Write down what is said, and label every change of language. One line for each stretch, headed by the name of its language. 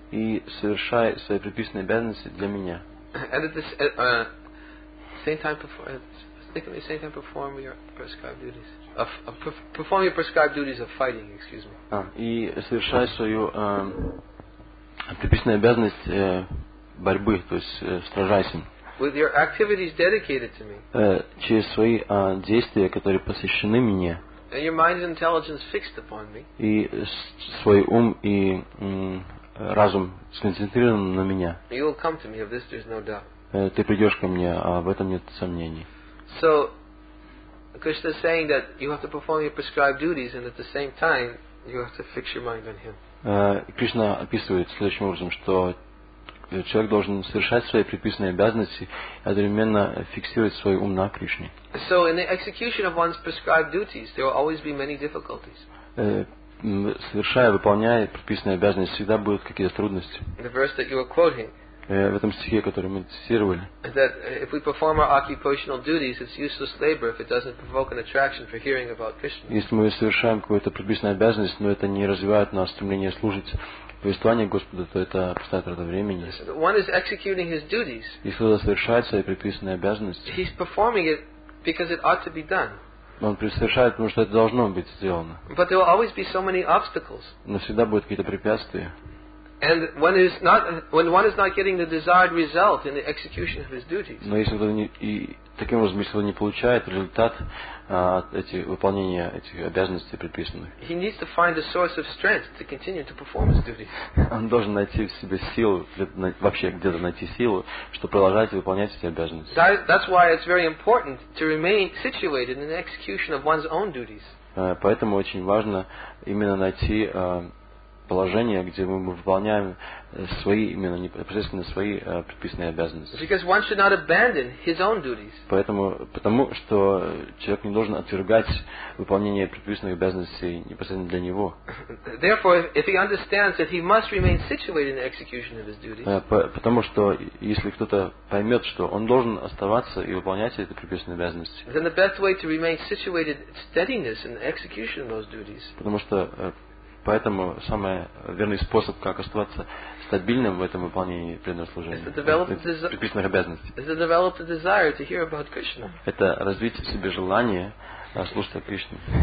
Russian: И совершай свои предписанные обязанности для меня.
English: And at the same time perform your prescribed duties. Perform your prescribed duties of fighting, excuse me.
Russian: И совершай свою предписанную обязанность борьбы, то есть сражайся.
English: With your activities dedicated to me.
Russian: Через свои действия, которые посвящены мне.
English: And your mind's intelligence fixed upon me.
Russian: И свой ум и разум сконцентрирован на меня.
English: You will come to me, of this there's no doubt.
Russian: Ты придешь ко мне, а в этом нет сомнений.
English: So, Krishna is saying that you have to perform your prescribed duties, and at the same time, you have to fix your mind on Him.
Russian: Кришна описывает следующим образом, что человек должен совершать свои предписанные обязанности и одновременно фиксировать свой ум на Кришне.
English: So in the execution of one's prescribed duties, there will always be many difficulties.
Russian: Совершая, выполняя предписанные обязанности, всегда будут какие-то трудности.
English: The verse that you were quoting.
Russian: В этом стихе, который мы цитировали.
English: That if we perform our occupational duties, it's useless labor if it doesn't provoke an attraction for hearing about Krishna.
Russian: Если мы совершаем какую-то предписанную обязанность, но это не развивает нас стремление служить повествование Господа, то это постоянно трата времени.
English: One is executing his duties.
Russian: Если он совершает свои предписанные обязанности,
English: he's performing it because it ought to be done.
Russian: Он совершает, потому что это должно быть сделано.
English: But there will always be so many obstacles.
Russian: Но всегда будут какие-то препятствия.
English: And when is not when one is not getting the desired result in the execution of his duties.
Russian: Но если он и таким образом, если он не получает результат выполнения этих обязанностей предписанных.
English: He needs to find a source of strength to continue to perform his duties.
Russian: Он должен найти в себе силу, вообще где-то найти силу, чтобы продолжать выполнять эти обязанности.
English: That's why it's very important to remain situated in the execution of one's own duties.
Russian: Поэтому очень важно именно найти положение, где мы выполняем свои именно непосредственно свои предписанные обязанности.
English: Because one should not abandon his own duties.
Russian: Потому что человек не должен отвергать выполнение предписанных обязанностей непосредственно для него.
English: Therefore, if he understands that he must remain situated in the execution of his duties.
Russian: Потому что если кто-то поймет, что он должен оставаться и выполнять эти предписанные обязанности.
English: Then the best way to remain situated steadiness in the execution of those duties.
Russian: Потому что поэтому самый верный способ, как оставаться стабильным в этом выполнении преданного служения, предписанных обязанностей, это развить в себе желание слушать о Кришне.